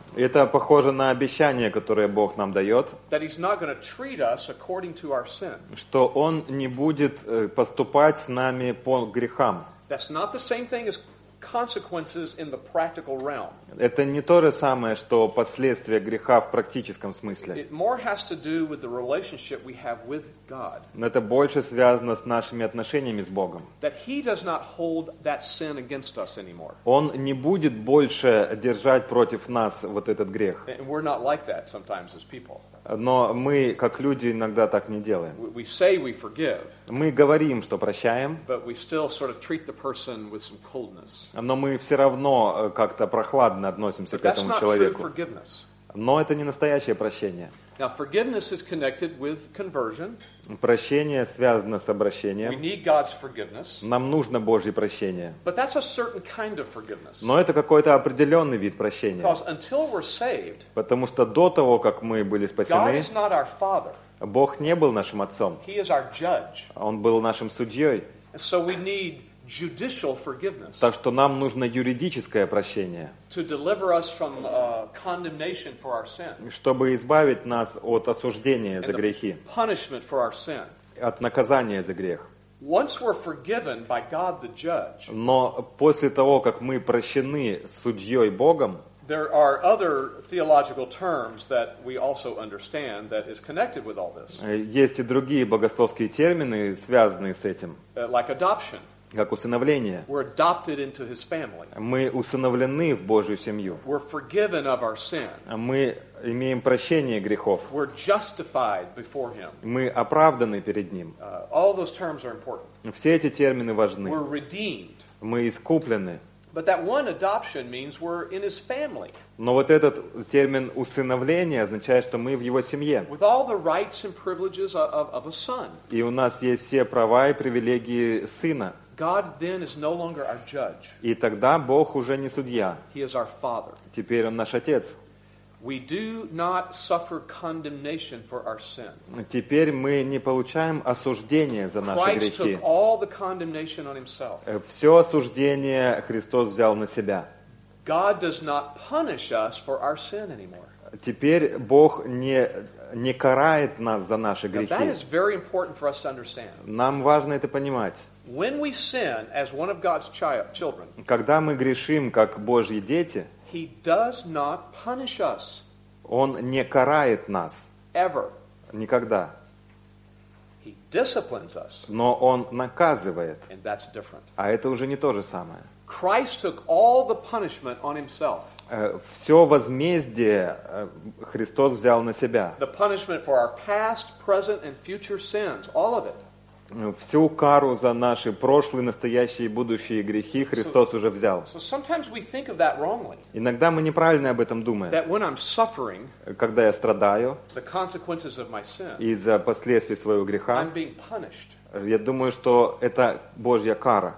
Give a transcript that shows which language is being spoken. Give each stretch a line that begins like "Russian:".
Russian: Это похоже на обещание, которое Бог нам дает.
English: That he's not going to treat us according to our sin.
Russian: Что он не будет поступать с нами по грехам.
English: That's not the same thing as consequences in the practical realm.
Russian: Это не то же самое, что последствия греха в практическом смысле.
English: It more has to do with the relationship we have with God.
Russian: Это больше связано с нашими отношениями с Богом.
English: That he does not hold that sin against us anymore.
Russian: Он не будет больше держать против нас вот этот грех.
English: And we're not like that sometimes as people.
Russian: Но мы, как люди, иногда так не делаем.
English: We say we forgive,
Russian: мы говорим, что прощаем.
English: But we still sort of treat the person with some coldness.
Russian: Но мы все равно как-то прохладно относимся
English: but
Russian: к этому человеку.
English: True forgiveness.
Russian: Но это не настоящее прощение.
English: Now, forgiveness is connected with conversion.
Russian: Прощение связано с обращением.
English: We need God's forgiveness.
Russian: Нам нужно Божье прощение.
English: But that's a certain kind of forgiveness.
Russian: Но это какой-то определенный вид прощения.
English: Because until we're saved,
Russian: потому что до того, как мы были спасены,
English: God is not our father.
Russian: Бог не был нашим отцом.
English: He is our judge.
Russian: Он был нашим судьей.
English: And so we need judicial forgiveness.
Russian: Так что нам нужно юридическое прощение.
English: To deliver us from condemnation for our sin.
Russian: Чтобы избавить нас от осуждения за грехи.
English: And the punishment for our sin.
Russian: От наказания за грех.
English: Once we're forgiven by God the judge.
Russian: Но после того, как мы прощены судьей Богом,
English: there are other theological terms that we also understand that is connected with all this.
Russian: Есть и другие богословские термины, связанные с этим.
English: Like adoption.
Russian: Как усыновление.
English: We're adopted into his family.
Russian: Мы усыновлены в Божью семью.
English: We're forgiven of our sin.
Russian: Мы имеем прощение грехов.
English: We're justified before him.
Russian: Мы оправданы перед ним.
English: All those terms are important.
Russian: Все эти термины важны.
English: We're redeemed.
Russian: Мы искуплены.
English: But that one adoption means we're in his family.
Russian: Но вот этот термин усыновление означает, что мы в его семье.
English: With all the rights and privileges of a son.
Russian: И у нас есть все права и привилегии сына.
English: God then is no longer our judge.
Russian: И тогда Бог уже не судья.
English: He is our father.
Russian: Теперь он наш отец.
English: We do not suffer condemnation for our sin.
Russian: Теперь мы не получаем осуждения за наши грехи.
English: Christ took all the condemnation on himself.
Russian: Все осуждение Христос взял на себя.
English: God does not punish us for our sin anymore.
Russian: Теперь Бог не карает нас за наши грехи.
English: That is very important for us to understand.
Russian: Нам важно это понимать.
English: When we sin as one of God's children,
Russian: когда мы грешим как Божьи дети,
English: he does not punish us.
Russian: Он не карает нас.
English: Ever.
Russian: Никогда.
English: He disciplines us.
Russian: Но он наказывает.
English: And that's different.
Russian: А это уже не то же самое.
English: Christ took all the punishment on himself.
Russian: Все возмездие Христос взял на себя.
English: The punishment for our past, present and future sins, all of it.
Russian: Всю кару за наши прошлые, настоящие и будущие грехи Христос уже взял. Иногда мы неправильно об этом думаем. Когда я страдаю из-за последствий своего греха, я думаю, что это Божья кара.